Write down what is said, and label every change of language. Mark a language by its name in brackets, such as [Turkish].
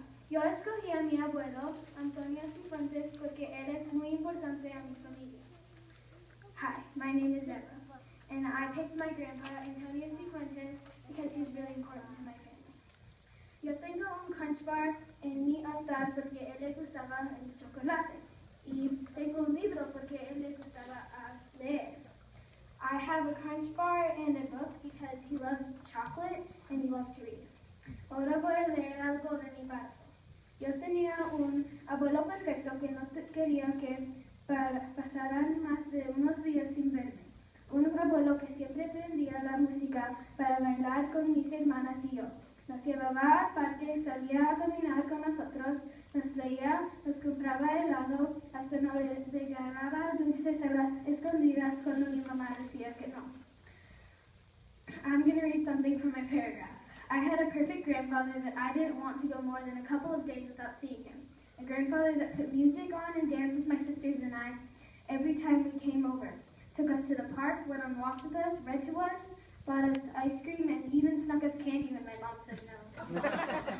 [Spanish] Yo escogí a mi abuelo, Antonio Cifuentes, porque él es muy importante a mi familia. [English] Hi, my name is Ehva, and I picked my grandpa, Antonio Cifuentes, because he's really important to my family. [Spanish] Yo tengo un crunch bar en mi altar porque él le gustaba el chocolate. Y tengo un libro porque él le gustaba leer. [English] I have a crunch bar and a book because he loves chocolate and he loves to read. [Spanish] Ahora voy a leer algo de mi padre. Yo tenía un abuelo perfecto que no quería que pasaran más de unos días sin verme. Un abuelo que siempre prendía la música para bailar con mis hermanas y yo. Nos llevaba al parque, salía a caminar con nosotros, nos leía, nos compraba helado, hasta nos regalaba dulces a las escondidas cuando mi mamá decía que no. [English] I'm going to read something from my paragraph. I had a perfect grandfather that I didn't want to go more than a couple of days without seeing him. A grandfather that put music on and danced with my sisters and I every time we came over. Took us to the park, went on walks with us, read to us, bought us ice cream, and even snuck us candy when my mom said no.